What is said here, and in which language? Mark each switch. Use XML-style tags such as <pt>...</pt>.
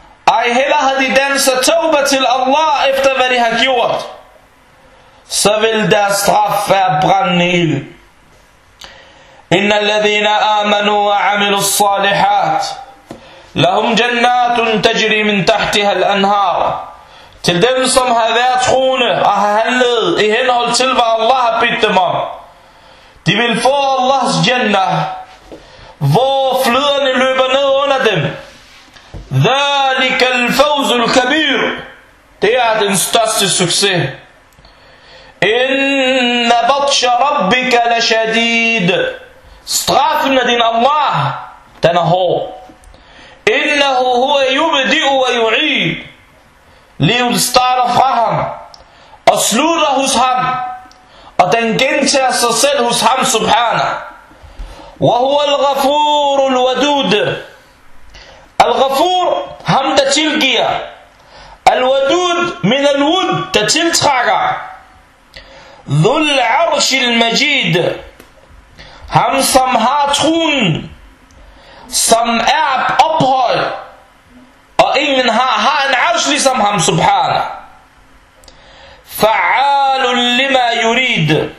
<ar>أي هلا هذه دنسة توبة الله افتبرها كيوت سبل داستغفى برنيل. إن الذين آمنوا وعملوا الصالحات لهم جنات تجري من تحتها الأنهار.</ar> <da>Til dem, som har været troende og har handlet i henhold til, hvad Allah har bedt dem om, de vil få Allahs jannah, hvor floderne løber ned under dem.</da> <ar>ذَلِكَ الْفَوْزُ الْكَبِيرُ.</ar> <da>Det er den største succes.</da> <ar>إِنَّ بَطْشَ رَبِّكَ لَشَدِيدٌ.</ar> <da>Straffen af din Allah, den er hård.</da> <ar>إِنَّهُ هُوَ يُبْدِئُ وَيُعِيدُ.</ar> <da>Livet starter fra ham og slutter hos ham, og den gentager sig selv hos ham, subhana.</da> <ar>وهو الغفور الودود.</ar> <da>الغفور, ham der tilgiver.</da> <ar>الودود, من الود,</ar> <da>der tiltrækker.</da> <ar>ذو العرش المجيد,</ar> <da>ham som har tronen, som er ophold. Og ingen har en arsh ligesom ham, subhana.</da> <ar>Fa'alun lima yurid.</ar>